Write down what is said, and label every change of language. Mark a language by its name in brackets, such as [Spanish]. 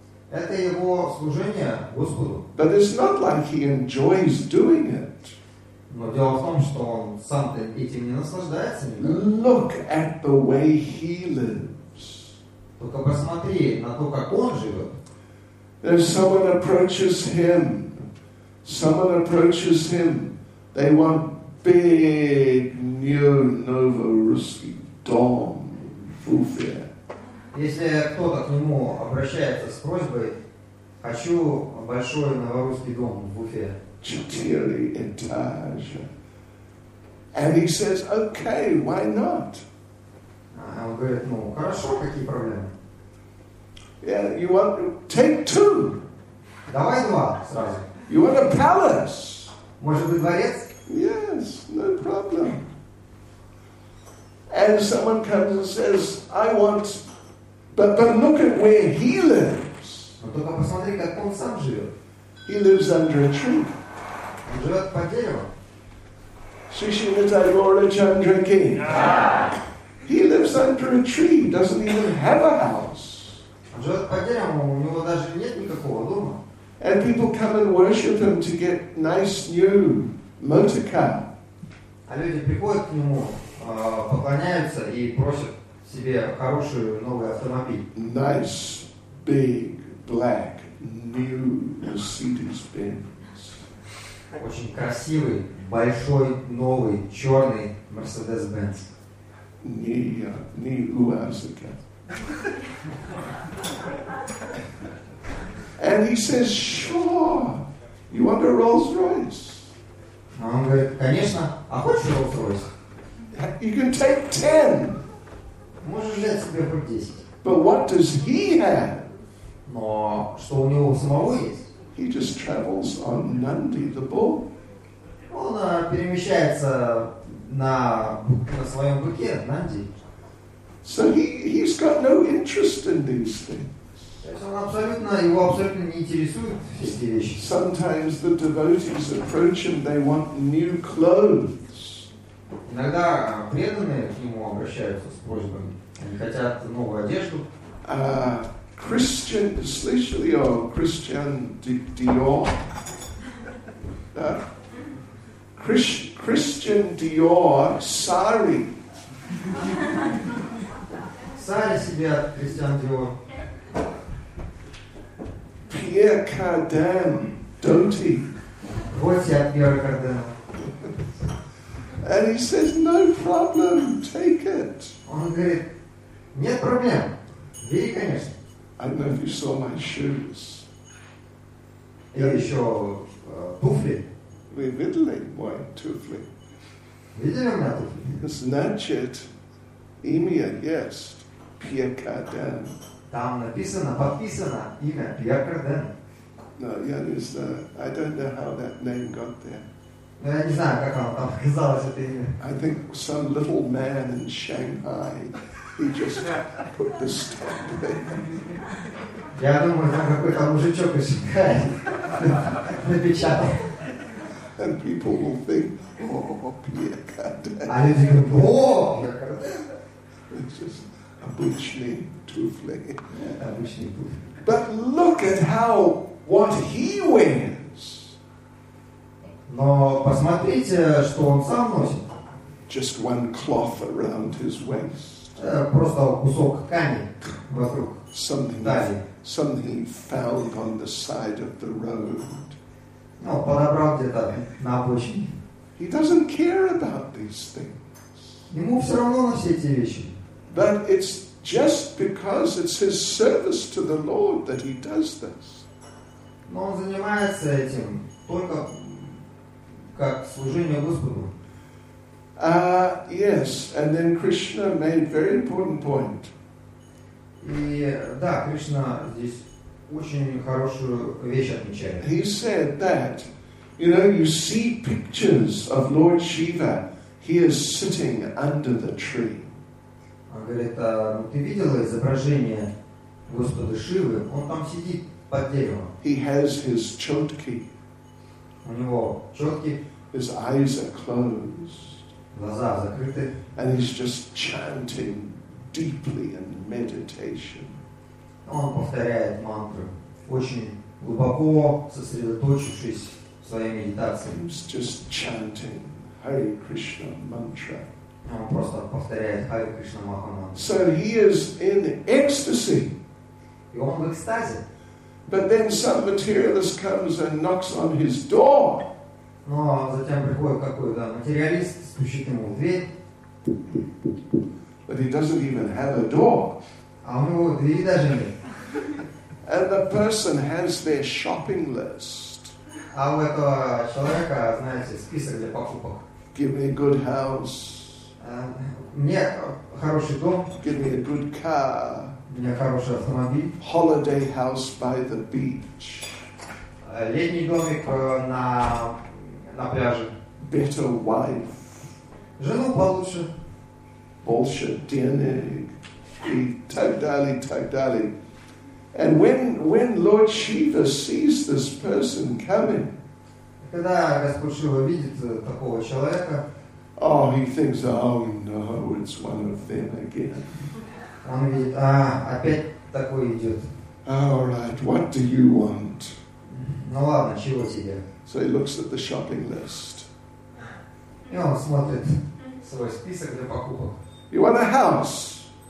[Russian] Это его служение Господу. [English] But it's not like he enjoys doing it. [Russian] Но дело в том, что он сам этим не наслаждается. [English] Look at the way he lives. [Russian] Только посмотри на то, как он живет. [English] If someone approaches him, they want big new Nova Ruski Dom Fufia. [Russian] Если кто-то к нему обращается с просьбой, хочу большой новорусский дом в Уфе. Четыре этажа. [English] And he says, okay, why not? [Russian] Он говорит: ну хорошо, какие проблемы? [English] Yeah, you want to take two. [Russian] Давай два сразу. [English] You want a palace. [Russian] Может быть дворец? [English] Yes, no problem. And someone comes and says, I want, but look at where he lives. [Russian] Но только посмотри, как он сам живет. [English] He lives under a tree. [Russian] Он живет под деревом. [English] Шишинатайгора Чандраки. He lives under a tree, doesn't even have a house. [Russian] Он живет под деревом, у него даже нет никакого дома. [English] And people come and worship him to get nice new motor car. [Russian] А люди приходят к нему, поклоняются и просят себе хороший новый автомобиль. [English] Nice, big, black, new Mercedes-Benz. [Russian] Очень красивый, большой, новый, черный Mercedes-Benz. Не УАЗика. [English] And he says, "Sure, you want a Rolls Royce?" [Russian] Он говорит: конечно, а хочешь Rolls Royce? [English] You can take 10. [Russian] Можешь взять себе хоть 10. [English] But what does he have? [Russian] Но что у него самого есть? [English] He just travels on Nandi the bull. [Russian] Он перемещается на своем быке Нанди. [English] So he's got no interest in these things. [Russian] Он абсолютно, его абсолютно не интересуют все эти вещи. [English] Sometimes the devotees approach him, they want new clothes. [Russian] Иногда преданные к нему обращаются с просьбами. Они хотят новую одежду. [English] Christian, especially Christian Dior. Christian Dior sari. [Russian] Сари себе от Christian Dior. [English] Pierre Cardin, Doty. [Russian] Готи от Pierre Cardin. [English] And he says, no problem, take it. [Russian] Он говорит, нет проблем, бери, конечно. [English] I don't know if you saw my shoes. Yeah. [Russian] Я еще туфли. Вы видели мои туфли? Видели у меня туфли? Значит, имя есть Pierre Cardin. Там написано, подписано имя Pierre Cardin. [English] No, yeah, there's the, I don't know how that name got there. [Russian] Но я не знаю, как оно там оказалось, это имя. [English] I think some little man in Shanghai. He just put the stamp there. [Russian] Я думаю, там какой-то мужичок из Шанхая напечатал. [English] And people will think, oh, Pierre Cardin. [Russian] А люди говорят, о, [English] it's just [Russian] обычный туфли. Обычный туфли. [English] But look at how what he wears. [Russian] Но посмотрите, что он сам носит. [English] Just one cloth around his waist. [Russian] Просто кусок ткани вокруг талии. [English] Something he found on the side of the road. [Russian] Ну, подобрал где-то на обочине. [English] He doesn't care about these things. [Russian] Ему все равно на все эти вещи. [English] But it's just because it's his service to the Lord that he does this. [Russian] Но он занимается этим только как служение Господу. [English] Yes, and then Krishna made a very important point. [Russian] И да, Кришна здесь очень хорошую вещь отмечает. [English] He said that, you know, you see pictures of Lord Shiva. He is sitting under the tree. [Russian] Он говорит, ну ты видел изображение Господа Шивы? Он там сидит под деревом. [English] He has his чотки. [Russian] У него чотки. [English] His eyes are closed. [Russian] Глаза закрыты. [English] And he's just chanting deeply in meditation. [Russian] Он повторяет мантру, очень глубоко сосредоточившись в своей медитации. [English] He's just chanting Hare Krishna mantra. [Russian] Он просто повторяет Hare Krishna Mahamantra. [English] So he is in ecstasy. [Russian] И он в экстазе. [English] But then some materialist comes and knocks on his door. [Russian] Но затем приходит какой-то материалист, стучит ему в дверь. [English] But he doesn't even have a door. [Russian] А у него двери даже нет. [English] And the person has their shopping list. [Russian] А у этого человека, знаете, список для покупок. [English] Give me a good house. [Russian] Мне хороший дом. [English] Give me a good car. [Russian] Мне хороший автомобиль. [English] Holiday house by the beach. [Russian] Летний домик на... На пляже. [English] Better wife. [Russian] Жену получше. Больше денег. И так далее, так далее. [English] And when Lord Shiva sees this person coming, [Russian] когда Господь Шива видит такого человека, [English] oh, he thinks, oh no, it's one of them again. [Russian] Он видит, а, опять такой идет. [English] All right, what do you want? [Russian] Ну ладно, чего тебе? [English] So he looks at the shopping list. [Russian] И он смотрит свой список для покупок. [English] You want a house?